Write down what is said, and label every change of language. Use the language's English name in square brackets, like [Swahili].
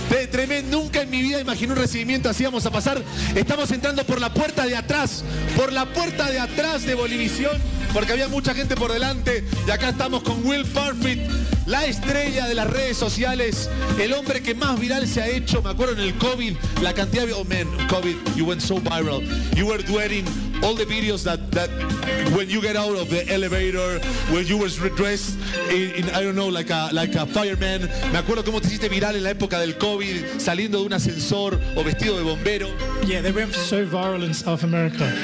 [Spanish] Tremendo, nunca en mi vida imaginé un recibimiento así. Vamos a pasar, estamos entrando por la puerta de atrás. Por la puerta de atrás de Bolivisión, porque había mucha gente por delante. Y acá estamos con Will Perfect, la estrella de las redes sociales, el hombre que más viral se ha hecho. Me acuerdo en el COVID, la cantidad de... [English] Oh man, COVID, you went so viral. You were doing all the videos that when you get out of the elevator, when you were dressed in I don't know, like a fireman. [Spanish] Me acuerdo cómo te hiciste viral en la época del COVID, saliendo de un ascensor o vestido de bombero. [English] Yeah, they went so viral in South America.